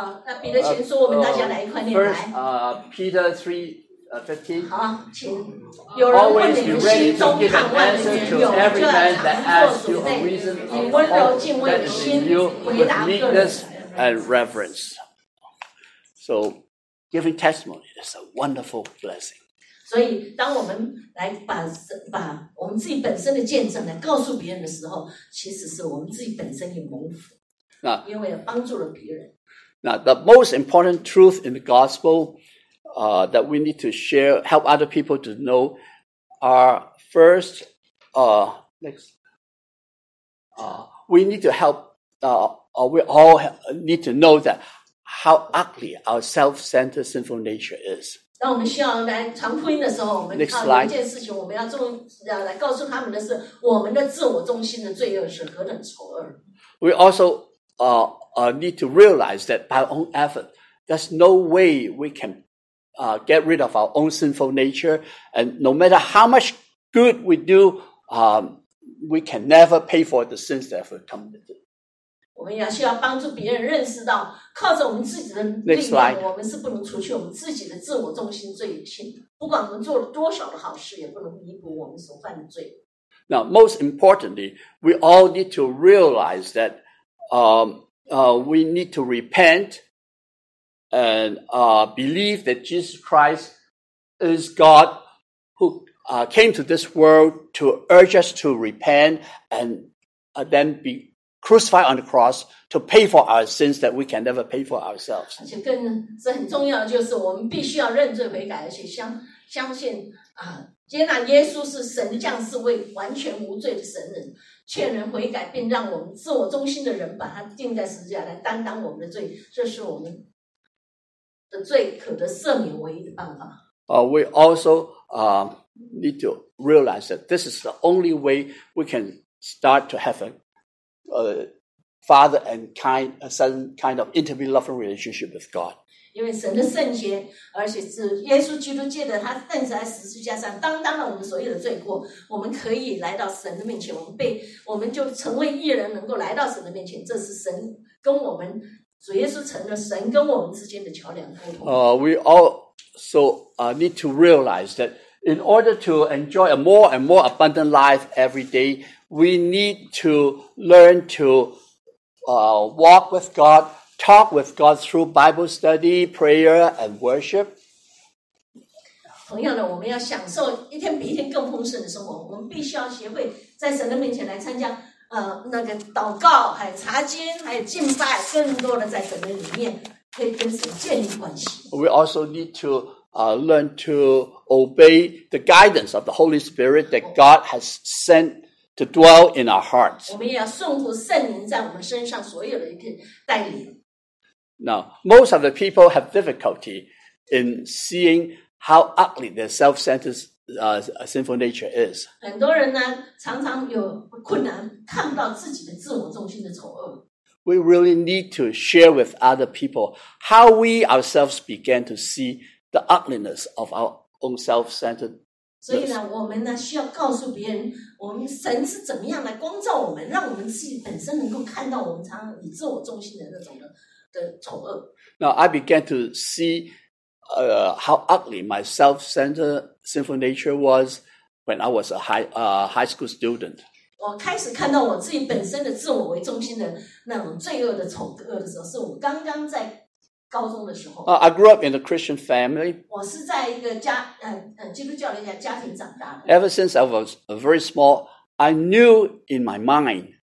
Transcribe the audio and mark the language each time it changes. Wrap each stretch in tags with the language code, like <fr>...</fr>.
<zh>那彼得前书，我们大家来一块念来。</zh> <en>Peter 3:15.</en> <zh>好，请。</zh> <en>Always be ready to give an answer to every man that asks you a reason of hope that is in you with meekness and reverence. So, giving testimony is a wonderful blessing.</en> <zh>所以，当我们来把我们自己本身的见证来告诉别人的时候，其实是我们自己本身也蒙福，因为帮助了别人。</zh> <en>Now, the most important truth in the gospel. That we need to share, help other people to know, are first, we need to help, we all need to know that how ugly our self-centered sinful nature is. Next slide.</en> <zh>我们的自我中心的罪恶是何等丑恶。</zh> <en>We also need to realize that by our own effort, there's no way we can get rid of our own sinful nature, and no matter how much good we do, we can never pay for the sins that we've committed.</en> <zh>我们要需要帮助别人认识到，靠着我们自己的力量，我们是不能除去我们自己的自我中心罪性。不管我们做了多少的好事，也不能弥补我们所犯的罪。</zh> <en>Now, most importantly, we all need to realize that we need to repent. And believe that Jesus Christ is God who came to this world to urge us to repent and then be crucified on the cross to pay for our sins that we can never pay for ourselves.</en> <zh>而且更是很重要的就是我们必须要认罪悔改，而且相信接纳耶稣是神的将士，为完全无罪的神人，劝人悔改，并让我们自我中心的人把他钉在十字架来担当我们的罪，这是我们。</zh> <en>We also need to realize that this is the only way we can start to have a father and kind, a certain kind of intimate loving relationship with God. We also need to realize that in order to enjoy a more and more abundant life every day, we need to learn to walk with God, talk with God through Bible study, prayer, and worship.</en> <zh>同样的，我们要享受一天比一天更丰盛的生活，我们必须要学会在神的面前来参加。祷告，还有查经，还有敬拜，更多的在神的里面可以跟神建立关系。</zh> <en>We also need to learn to obey the guidance of the Holy Spirit that God has sent to dwell in our hearts.</en> <zh>我们也要顺服圣灵在我们身上所有的一个带领。</zh> <en>Now, most of the people have difficulty in seeing how ugly their self-centered spirit is. Sinful nature is.</en> <zh>很多人呢，常常有困难看不到自己的自我中心的丑恶。</zh> <en>we really need to share with other people how we ourselves began to see the ugliness of our own self-centered.</en> <zh>所以呢，我们呢需要告诉别人，我们神是怎么样来光照我们，让我们自己本身能够看到我们常常以自我中心的那种的丑恶。</zh> <en>Now I began to see, how ugly my self-centered sinful nature was when I was a high school student.</en> <zh>我开始看到我自己本身的自我为中心的那种罪恶的丑恶的时候，是我刚刚在。高中的时候</zh> <en>，I grew up in a Christian family.</en> <zh>我是在一个基督教的家庭长大的。</zh> <en>Ever since I was very small, I knew in my mind.</en>